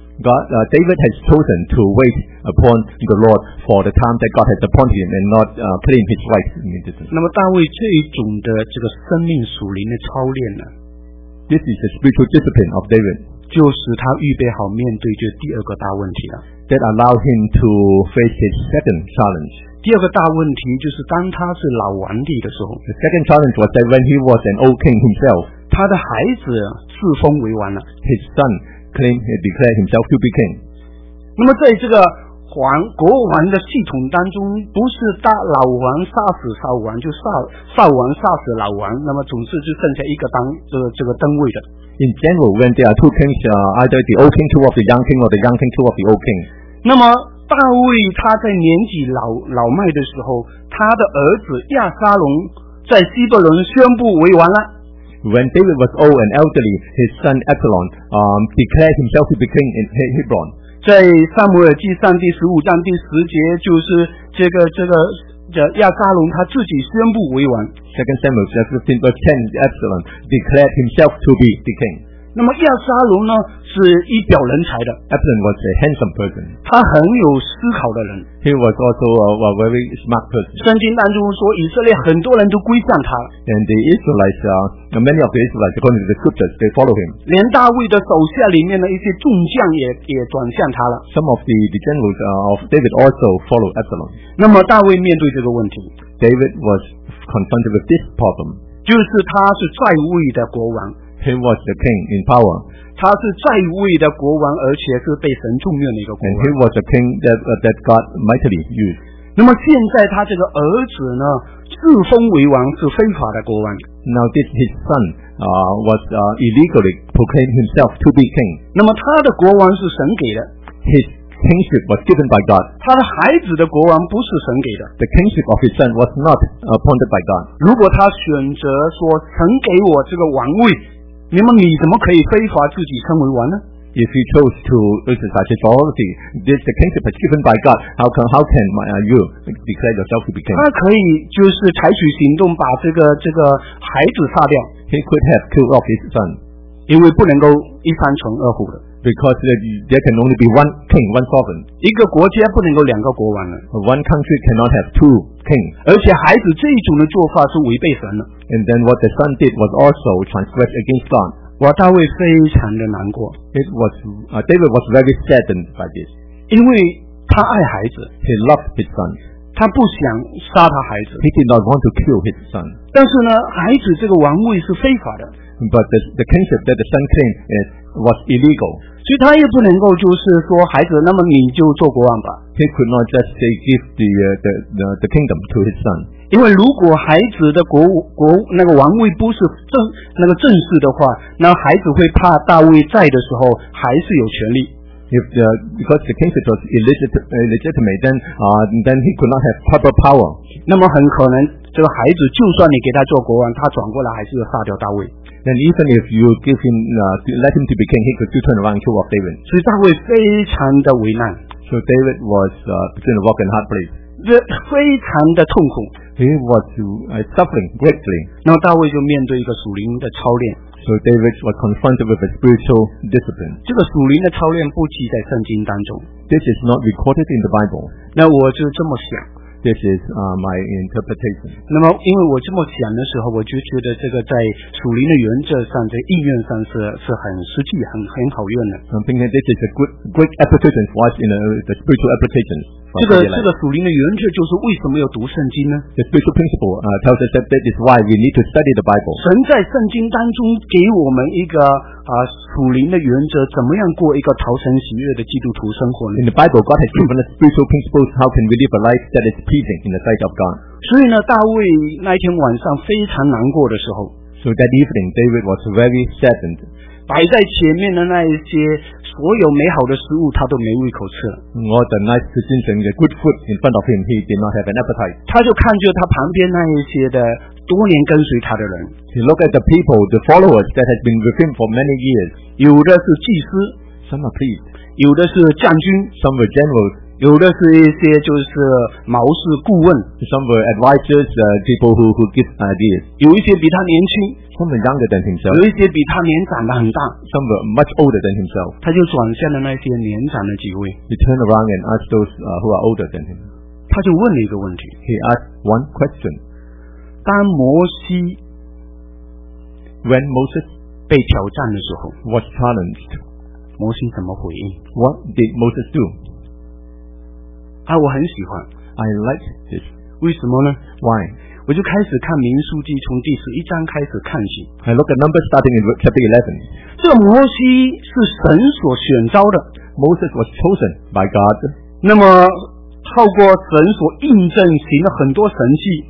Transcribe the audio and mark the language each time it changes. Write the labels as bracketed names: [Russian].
[English] David has chosen to wait upon the Lord for the time that God has appointed him, and not claim his rights. [Chinese] 那么大卫这一种的这个生命属灵的操练呢 [English] ？This is the spiritual discipline of David. [Chinese] 就是他预备好面对这第二个大问题了。 [English] That allow him to face his second challenge. [Chinese] 第二个大问题就是当他是老王帝的时候。 [English] The second challenge was that when he was an old king himself, [Chinese] 他的孩子自封为王了。 [English] His son claimed he declared himself to be king. [Chinese] 那么在这个国王的系统当中，不是大老王杀死少王，就少王杀死老王，那么总是就剩下一个这个登位的。 [English] In general, when there are two kings, either the old king to of the young king, or the young king to of the old king. [Chinese] 那么大卫他在年纪老迈的时候，他的儿子亚沙龙在希伯伦宣布为王了。 [English] When David was old and elderly, his son Absalom declared himself to be king in Hebron. [Chinese] 在撒母耳记上第十五章第十节，就是这个亚撒龙他自己宣布为王。 [English] Second Samuel chapter 15 verse 10, Absalom declared himself to be the king. [Chinese] 那么亚撒龙呢，是一表人才的。 [English] Absalom was a handsome person. [Chinese] 他很有思考的人。 [English] He was also a very smart person. [Chinese] 圣经当中说，以色列很多人都归向他。 [English] And the Israelites, many of the Israelites, according to the scriptures, they follow him. [Chinese] 连大卫的手下里面的一些众将也转向他了。 [English] Some of the generals of David also follow Absalom. [Chinese] 那么大卫面对这个问题。 [English] David was confronted with this problem. [Chinese] 就是他是在位的国王。 [English] He was the king in power. [Chinese] 他是在位的国王，而且是被神重用的一个国王。 [English] And he was the king that God mightily used. [Chinese] 那么现在他这个儿子呢，自封为王，是非法的国王。 [English] Now this his son was illegally proclaimed himself to be king. [Chinese] 那么他的国王是神给的。 [English] His kingship was given by God. [Chinese] 他的孩子的国王不是神给的。 [English] The kingship of his son was not appointed by God. [Chinese] 如果他选择说神给我这个王位，那么你怎么可以非法自己称为王呢？ [English] If you chose to exercise authority, this the kingship is given by God. How can you declare yourself to be king? [Chinese] 他可以就是采取行动把这个孩子杀掉。 [English] He could have killed off his son. [Chinese] 因为不能够一山成二虎的。 [English] Because there can only be one king, one sovereign. [Chinese] 一个国家不能够两个国王的。 [English] One country cannot have two kings. [Chinese] 而且孩子这一种的做法是违背神的。 [English] And then what the son did was also transgressed against God. [Chinese] 哇，大卫非常的难过。 [English] It was, David was very saddened by this. [Chinese] 因为他爱孩子。 [English] He loved his son. [Chinese] 他不想杀他孩子。 [English] He did not want to kill his son. [Chinese] 但是呢，孩子这个王位是非法的。 [English] But the kingship that the son claimed is, was illegal. [Chinese] 所以他也不能够就是说孩子，那么你就做国王吧。 [English] He could not just say give the kingdom to his son. [Chinese] 因为如果孩子的国那个王位不是那个正式的话，那孩子会怕大卫在的时候还是有权利。 [English] Because the kingship was illegitimate, then he could not have proper power. [Chinese] 那么很可能这个孩子就算你给他做国王，他转过来还是要杀掉大卫。 [English] Then even if you give him, let him to be king, he could still turn around and kill off David. [Chinese] 所以大卫非常的为难。 [English] So David was between a rock and a hard place. [Chinese] 非常的痛苦。 [English] He was suffering greatly. [Chinese] 那大卫就面对一个属灵的操练。 [English] So David was confronted with a spiritual discipline. [Chinese] 这个属灵的操练不记在圣经当中。 [English] This is not recorded in the Bible. [Chinese] 那我就这么想。 [English] This is my interpretation. [Chinese] 那么因为我这么想的时候，我就觉得这个在属灵的原则上，在应用上是很实际、很好用的。 [English] I'm thinking this is a great application for us in the spiritual application. [Chinese] 这个属灵的原则就是为什么要读圣经呢？ [English] The spiritual principle tells us that is why we need to study the Bible. [Chinese] 神在圣经当中给我们一个属灵的原则，怎么样过一个讨神喜悦的基督徒生活呢？ [English] In the Bible, God has given us spiritual principles. How can we live a life that is pleasing in the sight of God? [Chinese] 所以呢，大卫那天晚上非常难过的时候。 [English] So that evening, David was very saddened. [Chinese] 摆在前面的那一些所有美好的食物他都没胃口吃了。 [English] All the nice cuisines and the good food in front of him, he did not have an appetite. [Chinese] 他就看着他旁边那一些的多年跟随他的人。 [English] He looked at the people, the followers that had been with him for many years. [Chinese] 有的是祭司。 [English] Some are priests. [Chinese] 有的是将军。 [English] Some were generals. [Chinese] 有的是一些就是谋士顾问 [English] ，some were advisors, people who give ideas. [Chinese] 有一些比他年轻 [English] ，some were younger than himself. [Chinese] 有一些比他年长的很大 [English] ，some were much older than himself. [Chinese] 他就转向了那些年长的几位 [English] ，he turned around and asked those who are older than him. [Chinese] 他就问了一个问题 [English] ，he asked one question. [Chinese] 当摩西 [English] ，when Moses [Chinese] 被挑战的时候 [English] ，was challenged. [Chinese] 摩西怎么回应 [English] ？What did Moses do? [Chinese] 啊，我很喜欢。 [English] I like this. [Chinese] 为什么呢 [English] ？Why？ [Chinese] 我就开始看民数记，从第十一章开始看起。 [English] I look at numbers starting in chapter 11. [Chinese] 这摩西是神所选召的。 [English] Moses was chosen by God. [Chinese] 那么，透过神所印证，行了很多神迹。